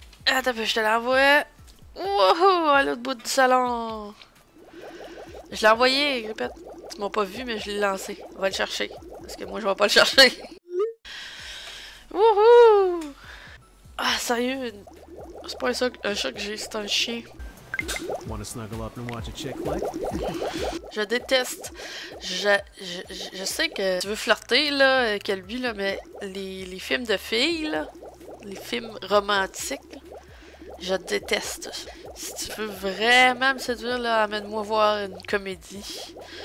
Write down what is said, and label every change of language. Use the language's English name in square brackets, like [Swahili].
[French] Attends, je te l'envoie. Wouhou! À l'autre bout du salon! Je l'ai envoyé, répète. Tu m'as pas vu, mais je l'ai lancé. On va le chercher. Parce que moi, je vais pas le chercher. Wouhou! Ah, sérieux? C'est pas un chat que j'ai, c'est un chien. [English] Wanna snuggle up and watch a chick flick? [French] Je déteste. Je sais que tu veux flirter, là, avec lui, là, mais les films de filles, là, les films romantiques, je déteste. Si tu veux vraiment me séduire, là, amène-moi voir une comédie.